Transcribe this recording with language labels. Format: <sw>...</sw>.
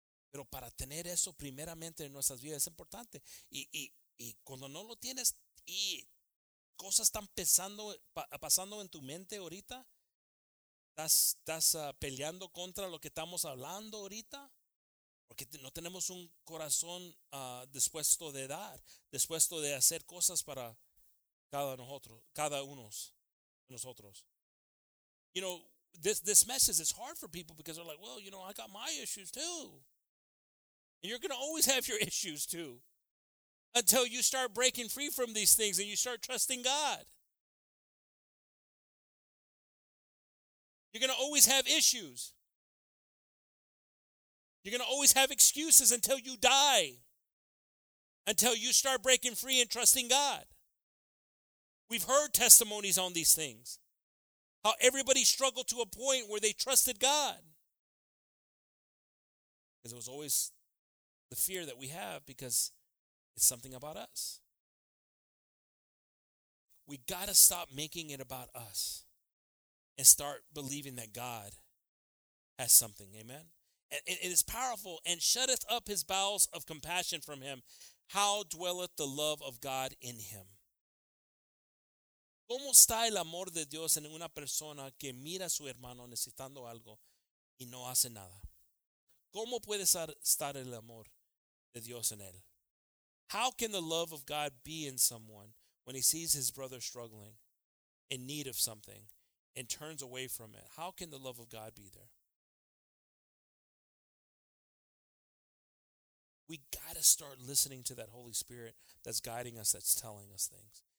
<es>Pero para tener eso primeramente en nuestras vidas es importante. Y cuando no lo tienes y cosas están pasando en tu mente ahorita, estás peleando contra lo que estamos hablando ahorita, porque no tenemos un corazón dispuesto de dar, dispuesto de hacer cosas para cada uno de nosotros.</es> <en>You know, this message is hard for people because they're like, well, you know, I got my issues too. And you're going to always have your issues too, until you start breaking free from these things and you start trusting God. You're going to always have issues. You're going to always have excuses until you die, until you start breaking free and trusting God. We've heard testimonies on these things, how everybody struggled to a point where they trusted God. Because it was always the fear that we have because it's something about us. We got to stop making it about us and start believing that God has something. Amen? And it is powerful. And shutteth up his bowels of compassion from him. How dwelleth the love of God in him?</en> <es>¿Cómo está el amor de Dios en una persona que mira a su hermano necesitando algo y no hace nada? ¿Cómo puede estar el amor de Dios en él?</es> <en>How can the love of God be in someone when he sees his brother struggling in need of something and turns away from it? How can the love of God be there? We got to start listening to that Holy Spirit that's guiding us, that's telling us things.</en>